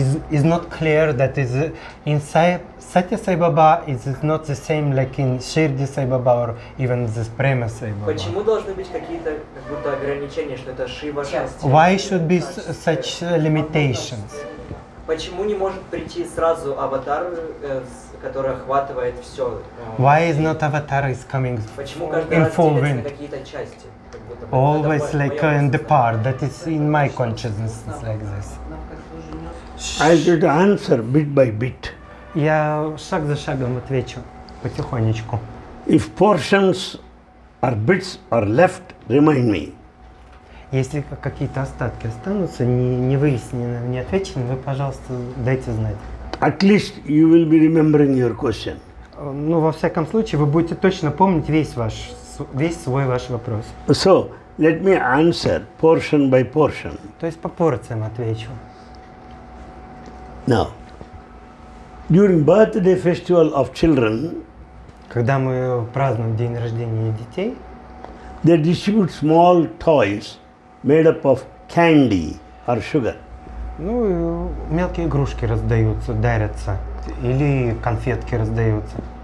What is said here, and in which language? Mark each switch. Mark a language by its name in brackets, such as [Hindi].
[English] Is not clear that is inside Satya Sai Baba is not the same like in Shirdi Sai Baba or even the Prema Sai Baba. [Russian] Почему должны быть какие-то как будто ограничения, что это Шива Шасти? [English] Why should be such limitations? [Russian] Почему не может прийти сразу аватар, который охватывает все? [English] Why is not avatar is coming? [Russian] Почему каждый раз делится на какие-то части? [English] Always like in the part that is in my consciousness like this. I should answer bit by bit. [Russian] Я шаг за шагом отвечу потихонечку. [English] If portions or bits are left, remind me. [Russian] Если какие-то остатки останутся не выяснены, не отвечены, вы, пожалуйста, дайте знать. [English] At least you will be remembering your question. [Russian] Ну, во всяком случае, вы будете точно помнить весь свой ваш вопрос. [English] So, let me answer portion by portion. [Russian] То есть по порциям отвечу. [English] Now, during birthday festival of children, [Russian] когда мы празднуем день рождения детей, [English] they distribute small toys made up of candy or sugar. [Russian] Ну, мелкие игрушки раздаются, дарятся, или конфетки раздаются.